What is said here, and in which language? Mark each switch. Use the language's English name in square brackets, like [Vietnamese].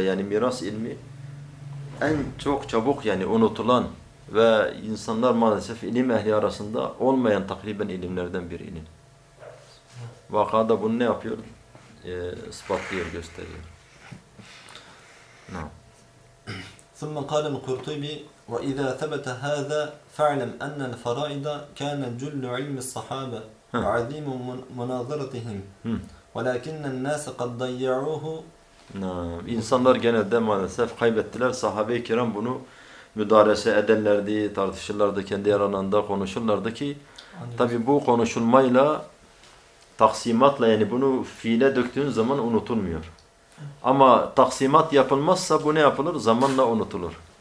[Turkish] Yani miras ilmi en çok çabuk yani unutulan ve insanlar maalesef ilim ehli arasında olmayan takriben ilimlerden bir ilim. Vakaya da bunu ne yapıyor? Ispatlıyor, gösteriyor. Ne? No. [Arabic] ثم قال القرطبي وإذا ثبت هذا فاعلم أن الفرائض كان جل علم الصحابة وعظيم مناظرتهم ولكن الناس قد ضيعوه. نعم. [Turkish] İnsanlar genelde maalesef kaybettiler. Sahabe-i kiram bunu müdarese ederlerdi, tartışırlardı, kendi aralarında konuşurlardı ki tabi bu konuşulmayla, taksimatla, yani bunu fiile döktüğün zaman unutulmuyor. Ama taksimat yapılmazsa bu ne yapılır? Zamanla unutulur.